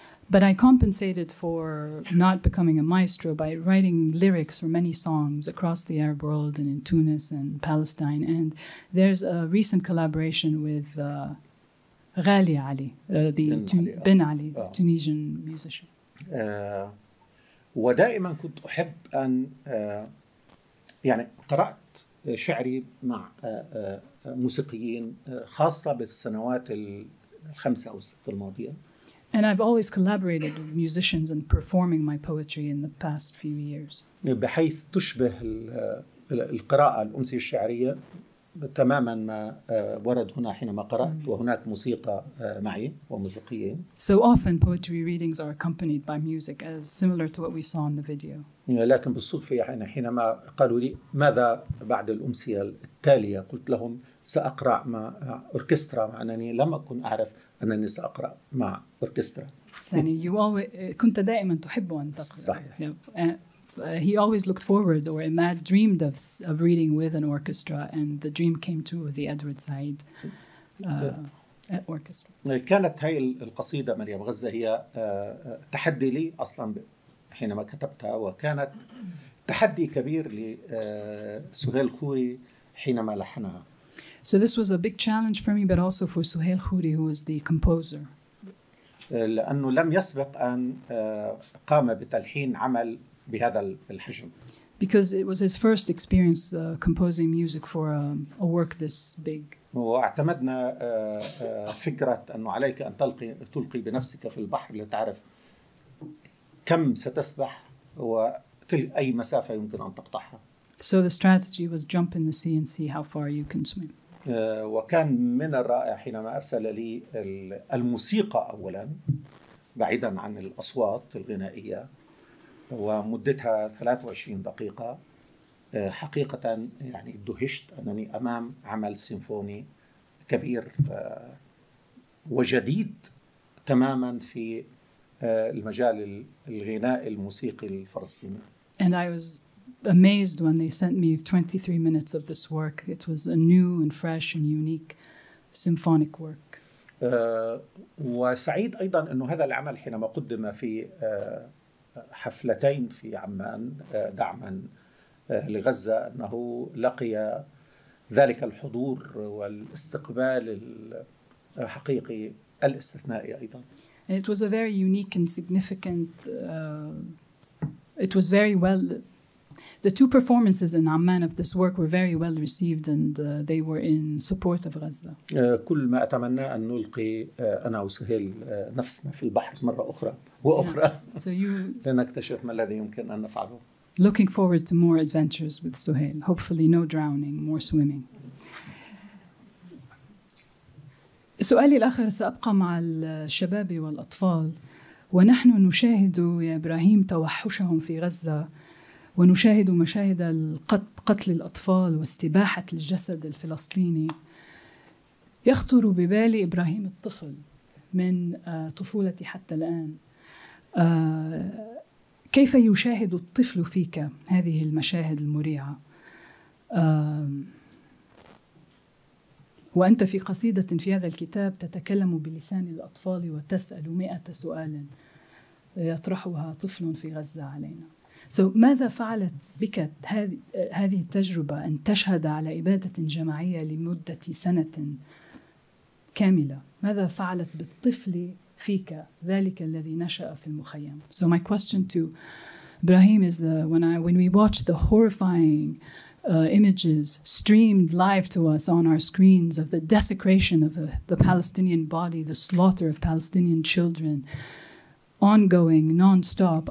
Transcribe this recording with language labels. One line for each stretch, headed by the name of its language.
English: But I compensated for not becoming a maestro by writing lyrics for many songs across the Arab world and in Tunis and Palestine. And there's a recent collaboration with غالية علي, بن علي, Tunisian musician.
Arabic: ودائما كنت أحب أن يعني قرأت شعري مع موسيقيين خاصة بالسنوات الخمسة أو الست الماضية.
English: And I've always collaborated with musicians and performing my poetry in the past few years.
Arabic: بحيث تشبه القراءة الأمسية الشعرية تماما ما ورد هنا حينما قرأت وهناك موسيقى معي وموسيقيين.
English: So often poetry readings are accompanied by music as similar to what we saw in the video.
Arabic: لكن بالصدفة يعني حينما قالوا لي ماذا بعد الأمسية التالية قلت لهم سأقرأ مع أوركسترا مع أنني لم أكن أعرف أنني سأقرأ مع أوركسترا. يعني كنت دائما تحب أن تقرأ. صحيح.
English: He always looked forward or dreamed of reading with an orchestra and the dream came true with the Edward Said orchestra.
Arabic: كانت هاي القصيدة مريم غزة هي تحدي لي أصلا حينما كتبتها وكانت تحدي كبير لسهيل خوري حينما لحنها.
English: So this was a big challenge for me but also for Suhail Khoury who was the composer.
Arabic: لأنه لم يسبق أن قام بتلحين عمل بهذا الحجم.
English: Because it was his first experience composing music for a work this big.
Arabic: واعتمدنا فكرة أنه عليك أن تلقي بنفسك في البحر لتعرف كم ستسبح وأي مسافة يمكن أن تقطعها.
English: So the strategy was jump in the sea and see how far you can swim.
Arabic: وكان من الرائع حينما أرسل لي الموسيقى أولاً بعيداً عن الأصوات الغنائية ومدتها 23 دقيقة حقيقة يعني دهشت أنني أمام عمل سيمفوني كبير وجديد تماماً في المجال الغنائي الموسيقي الفلسطيني.
English: And I was amazed when they sent me 23 minutes of this work. It was a new and fresh and unique symphonic work.
Arabic: وسعيد أيضا أنه هذا العمل حينما قدم في حفلتين في عمان دعما لغزة أنه لقي ذلك الحضور والاستقبال الحقيقي الاستثنائي أيضا.
English: And it was a very unique and significant, it was very well, the two performances in Amman of this work were very well received and they were in support of Gaza.
Arabic: كل ما أتمنى أن نلقي أنا وسهيل نفسنا في البحر مرة أخرى وأخرى لنكتشف ما الذي يمكن أن نفعله.
English: Looking forward to more adventures with Suhail. Hopefully no drowning, more swimming.
Arabic: سؤالي الآخر سأبقى مع الشباب والأطفال ونحن نشاهد يا إبراهيم توحشهم في غزة ونشاهد مشاهد قتل الأطفال واستباحة الجسد الفلسطيني يخطر ببالي إبراهيم الطفل من طفولتي حتى الآن كيف يشاهد الطفل فيك هذه المشاهد المريعة؟ وأنت في قصيدة في هذا الكتاب تتكلم بلسان الأطفال وتسأل 100 سؤال يطرحها طفل في غزة علينا.
English: So,
Arabic: ماذا فعلت بك هذه التجربة أن تشهد على إبادة جماعية لمدة سنة كاملة؟ ماذا فعلت بالطفل فيك ذلك الذي نشأ في المخيم؟
English: So my question to Ibrahim is when we watch the horrifying images streamed live to us on our screens of the desecration of the Palestinian body, the slaughter of Palestinian children, ongoing, nonstop.